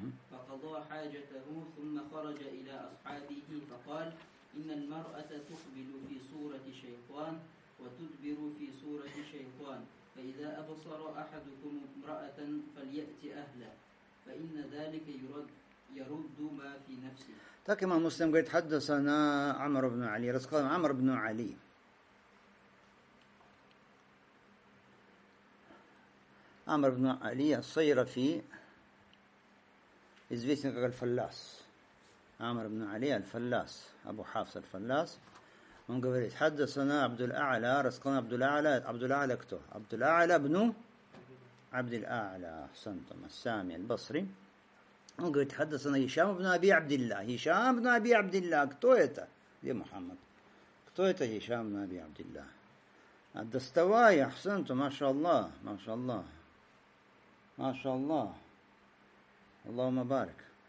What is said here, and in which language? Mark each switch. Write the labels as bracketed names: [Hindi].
[Arabic] فقضى حاجته ثم خرج إلى أصحابه فقال إن المرأة تقبل في صورة شيطان وتدبر في صورة شيطان فإذا أبصر أحدكم امرأة فليأتي أهله فإن ذلك يرد ما في نفسه. [Russian] Так имам Муслим говорит, хаддасана Амр ибн Али, рассказал Амр ибн Али. Амр ибн Али, ас-Сайрафи, известен как Аль-Фаллас. Амр ибн Али, Аль-Фаллас, Абу Хафс Аль-Фаллас. Он говорит, хаддасана Абдул-А'ла, рассказал Абдул-А'ла, Абдул-А'ла кто? Абдул-А'ла ибн عبد الأعلى سنتم السامي البصري. Он говорит, хаддасана Хишам ибн Аби Абдилла. Хишам ибн Аби Абдилла. Кто это? Где Мухаммад? Кто это Хишам ибн Аби Абдилла? Доставай, ахсанту, маша Аллах, маша Аллах. Маша Аллах. Аллахумма барик.